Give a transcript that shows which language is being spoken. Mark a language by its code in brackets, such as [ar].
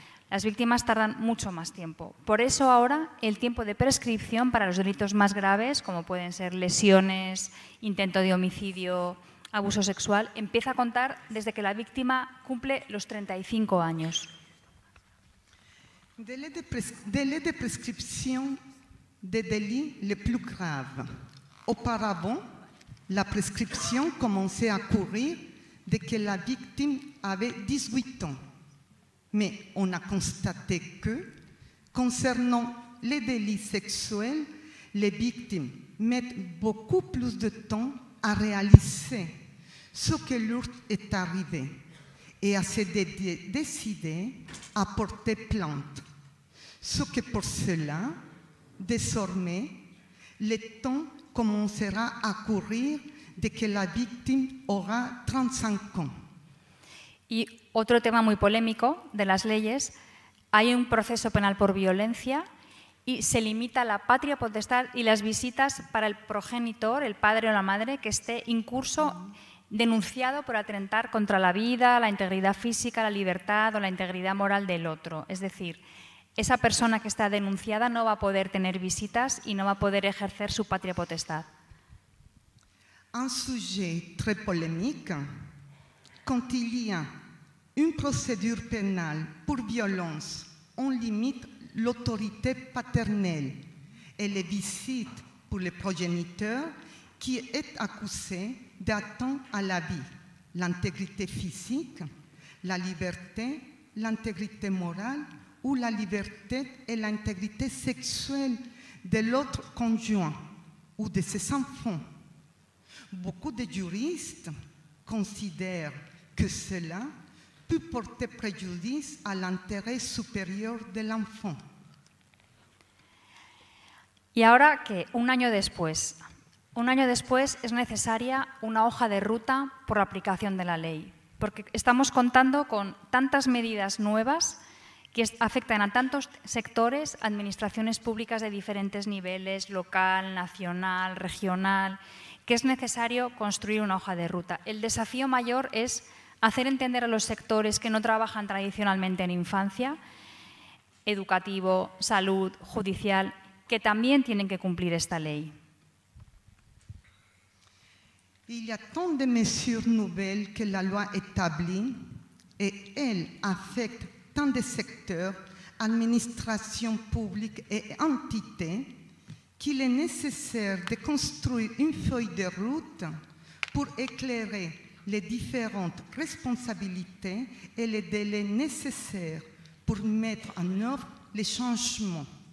[es] Las víctimas tardan mucho más tiempo. Por eso ahora el tiempo de prescripción para los delitos más graves, como pueden ser lesiones, intento de homicidio, abuso sexual, empieza a contar desde que la víctima cumple los 35 años. [fr] Délai de prescripción des délits les plus graves. Auparavant, la prescription commençait à courir dès que la victime avait 18 ans. Mais on a constaté que, concernant les délits sexuels, les victimes mettent beaucoup plus de temps à réaliser ce que leur est arrivé et à se décider à porter plainte. Ce que pour cela, désormais, le temps commencera à courir dès que la victime aura 35 ans. [es] Y otro tema muy polémico de las leyes, hay un proceso penal por violencia y se limita la patria potestad y las visitas para el progenitor, el padre o la madre, que esté incurso denunciado por atentar contra la vida, la integridad física, la libertad o la integridad moral del otro. Es decir, esa persona que está denunciada no va a poder tener visitas y no va a poder ejercer su patria potestad. [fr] Un sujet très polémique. Quand il y a une procédure pénale pour violence, on limite l'autorité paternelle et les visites pour le progéniteur qui est accusé d'atteinte à la vie, l'intégrité physique, la liberté, l'intégrité morale ou la liberté et l'intégrité sexuelle de l'autre conjoint ou de ses enfants. Beaucoup de juristes considèrent que cela peut porter préjudice à l'intérêt supérieur de l'enfant. [es] Y ahora que un año después es necesaria una hoja de ruta por la aplicación de la ley, porque estamos contando con tantas medidas nuevas que afectan a tantos sectores, administraciones públicas de diferentes niveles, local, nacional, regional, que es necesario construir una hoja de ruta. El desafío mayor es hacer entender a los sectores que no trabajan tradicionalmente en infancia, educativo, salud, judicial, que también tienen que cumplir esta ley. [fr] Il y a tant de mesures nouvelles que la loi établit et elle affecte tant de secteurs, administrations publiques et entités qu'il est nécessaire de construire une feuille de route pour éclairer les différentes responsabilités et les délais nécessaires pour mettre en œuvre les changements.